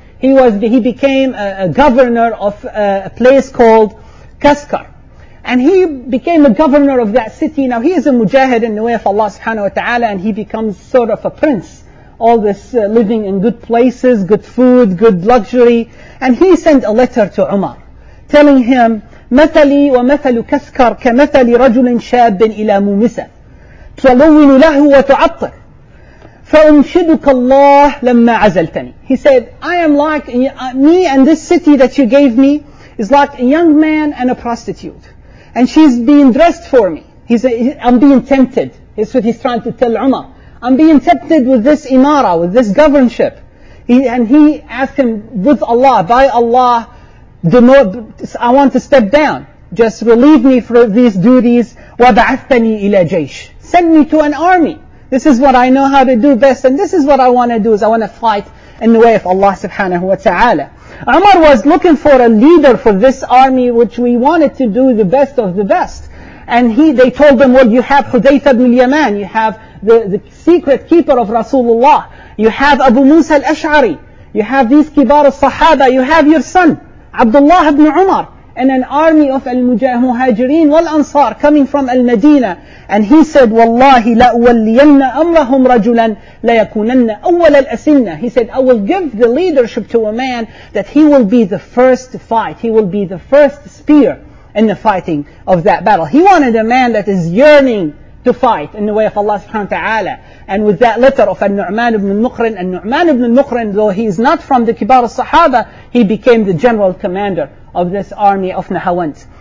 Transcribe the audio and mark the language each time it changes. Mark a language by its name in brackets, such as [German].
[English] He became a governor of a place called Kaskar. And he became a governor of that city. Now, he is a mujahid in the way of Allah subhanahu wa ta'ala, and he becomes sort of a prince. All this living in good places, good food, good luxury. And he sent a letter to Umar, telling him, [Arabic] مَثَلِي وَمَثَلُ كَسْكَرْ كَمَثَلِ رَجُلٍ شَابٍ إِلَى مُمِسَةٍ تُلَوِّنُ لَهُ وَتُعَطَّرْ فَأُنْشِدُكَ اللَّهُ لَمَّا عَزَلْتَنِي. [English] He said, I am like, me and this city that you gave me is like a young man and a prostitute. And she's being dressed for me. I'm being tempted. That's what he's trying to tell Umar. I'm being infected with this imara, with this governorship. And he asked him, with Allah, by Allah, I want to step down. Just relieve me from these duties. [Arabic] وَبَعَثْتَنِي إِلَى جَيْشٍ. [English] Send me to an army. This is what I know how to do best, and this is what I want to do, is I want to fight in the way of Allah subhanahu wa ta'ala. Umar was looking for a leader for this army, which we wanted to do the best of the best. And they told him, well, you have Hudayfa ibn al-Yaman, you have the secret keeper of Rasulullah, you have Abu Musa al-Ash'ari, you have these kibar al-Sahaba, you have your son, Abdullah ibn Umar, and an army of al-Muhajirin wal-Ansar coming from al-Madinah. And he said, [Arabic] وَاللَّهِ لَأُوَلِّيَنَّ أَمْرَهُمْ رَجُلًا لَيَكُونَنَّ أَوَّلَ الْأَسِنَّ. [English] He said, I will give the leadership to a man that he will be the first to fight. He will be the first spear in the fighting of that battle. He wanted a man that is yearning to fight in the way of Allah subhanahu wa ta'ala. And with that letter of al-Nu'man ibn al-Muqrin, al-Nu'man ibn al-Muqrin, though he is not from the kibar al-Sahaba, he became the general commander of this army of Nahawand.